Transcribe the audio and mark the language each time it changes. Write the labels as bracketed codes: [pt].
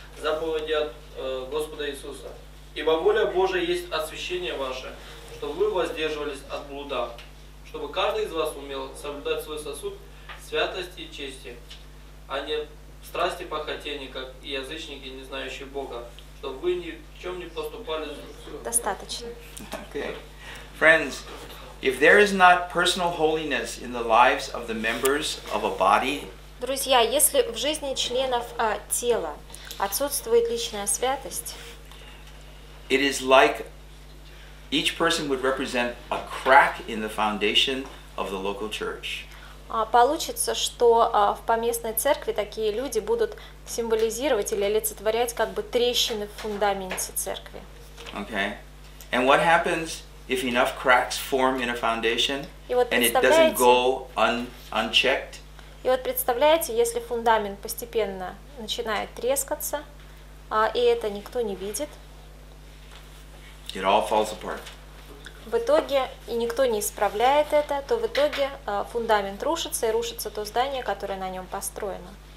[ru] Заповеди от Господа Иисуса. Ибо воля Божия есть освящение ваше, чтобы вы воздерживались от блуда, чтобы каждый из вас умел соблюдать свой сосуд святости и чести, а не страсти и похотения, как и язычники, не знающие Бога, чтобы вы ни в чем не поступали. Достаточно. [en] Okay. Friends, if there is not personal holiness in the lives of the members of a body, [ru] друзья, если в жизни членов тела отсутствует личная святость, [en] it is like each person would represent a crack in the foundation of the local church. [ru] Получится, что в поместной церкви такие люди будут символизировать или олицетворять как бы трещины в фундаменте церкви. [en] Okay. And what happens if enough cracks form in a foundation [ru] вот [en] and it doesn't go unchecked? [ru] И вот представляете, если фундамент постепенно начинает трескаться, и это никто не видит, [en] it all falls apart. [ru] В итоге, и никто не исправляет это, то в итоге фундамент рушится, и рушится то здание, которое на нем построено.